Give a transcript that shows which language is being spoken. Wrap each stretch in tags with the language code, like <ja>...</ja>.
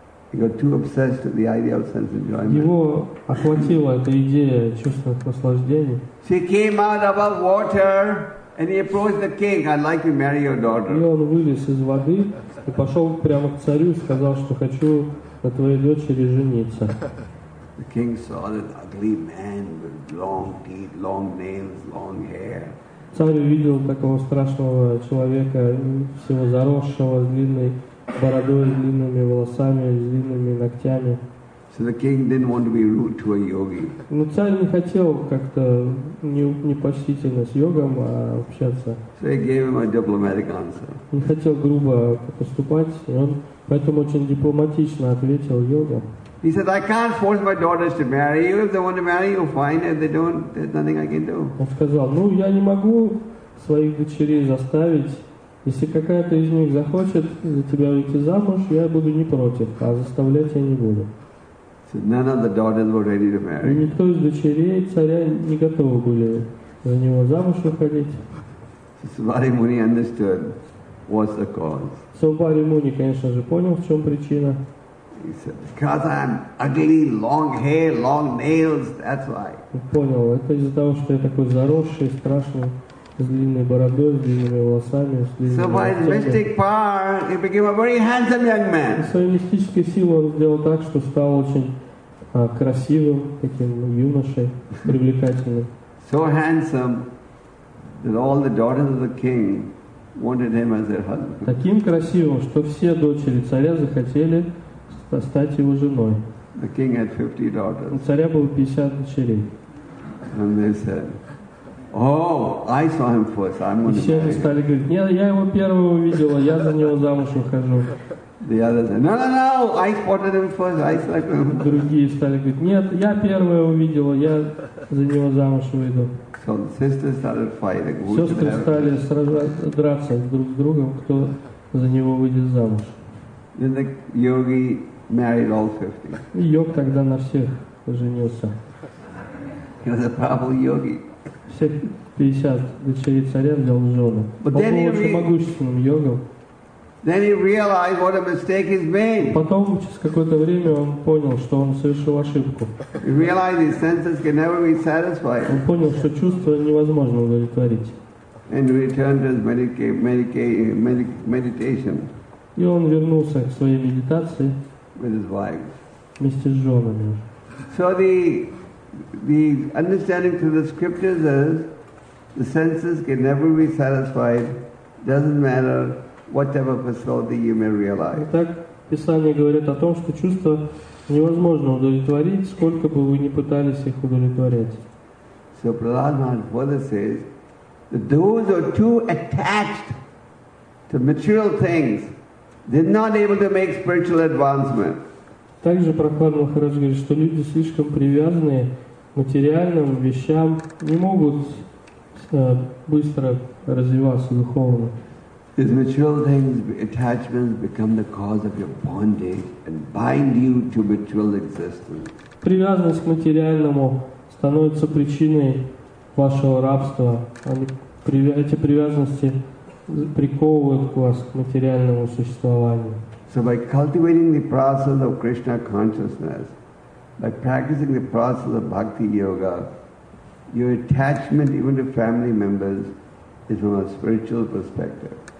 <en>He got too obsessed with the idea of sense enjoyment.</en> <ru>Его охватила эта идея чувства наслаждения.</ru> <en>He came out above water and he approached the king. I'd like to marry your daughter.</en> <ru>И он вылез из воды. И пошел прямо к царю и сказал, что хочу на твоей дочери жениться.</ru> <en>The king saw that ugly man with long teeth, long nails, long hair.</en> <ru>Царь увидел такого страшного человека, всего заросшего, с длинной бородой, с длинными волосами, с длинными ногтями.</ru> <en>So the king didn't want to be rude to a yogi.</en> <ru>Но царь не хотел как-то непочтительно с йогом общаться.</ru> <en>So he gave him a diplomatic answer.</en> <ru>Не хотел грубо поступать, и он поэтому очень дипломатично ответил йогу.</ru> <en>He said, I can't force my daughters to marry you. If they want to marry you, fine. If they don't, there's nothing I can do.</en> <ru>Он сказал, ну я не могу своих дочерей заставить. Если какая-то из них захочет за тебя выйти замуж, я буду не против, а заставлять я не буду.</ru> <en>None of the daughters were ready to marry.</en> <ru>И никто из дочерей царя не готовы были за него замуж выходить.</ru> <en>Subhari Muni understood what's the cause.</en> <ru>Subhari Muni, конечно же, понял, в чем причина.</ru> <en>He said, because I'm ugly, long hair, long nails, that's why.</en> <ru>Понял, это из-за того, что я такой заросший, страшный. С длинной бородой, с длинными волосами, с длинными волосами. Своей мистической силой он сделал так, что стал очень красивым, таким юношей, привлекательным.</ru> <en>So handsome that all the daughters of the king wanted him as their husband.</en> <ru>Таким красивым, что все дочери царя захотели стать его женой.</ru> <en>The king had 50 daughters.</en> <ru>У царя было 50 дочерей.</ru> <en>And they said, oh, I saw him first. I'm going to.</en> <ru>Все они стали говорить: "Нет, я его первого видела, я за него замуж ухожу".</ru> <en>The others said, "No, I spotted him first. I saw him".</en> <ru>Другие стали говорить: "Нет, я первая увидела, я за него замуж выйду".</ru> <en>So the sisters started fighting.</en> <ru>Сестры стали сражаться, драться друг с другом, кто за него выйдет замуж.</ru> <en>Then the yogi married all 50.</en> <ru>Йог тогда на всех женился.</ru> <en>He was a powerful yogi.</en> <ru>Все 50 дочерей царя взял в жены. Он был очень могущественным йогом.</ru> <en>Then he realized what a mistake he's made.</en> <ru>Потом через какое-то время он понял, что он совершил ошибку.</ru> <en>He realized his senses can never be satisfied.</en> <ru>Он понял, что чувства невозможно удовлетворить.</ru> <en>And returned to his meditation.</en> <ru>И он вернулся к своей медитации.</ru> <en>With his wife.</en> <ru>Вместе с женами.</ru> <en>So the understanding through the scriptures is the senses can never be satisfied. Doesn't matter. Whatever facility you may realize.</en> <ru>Итак, Писание говорит о том, что чувства невозможно удовлетворить, сколько бы вы ни пытались их удовлетворять.</ru> <en>So Prahlad Maharaj further says that those who are too attached to material things, they're not able to make spiritual advancement.</en> <ru>Также Прохлад Махарадж говорит, что люди слишком привязанные к материальным вещам не могут быстро развиваться духовно.</ru> <en>These material things, attachments, become the cause of your bondage and bind you to material existence.</en> <ru>Привязанность к материальному становится причиной вашего рабства. Эти привязанности приковывают вас к материальному существованию.</ru> <en>So by cultivating the process of Krishna consciousness, by practicing the process of bhakti yoga, your attachment even to family members is from a spiritual perspective.</en>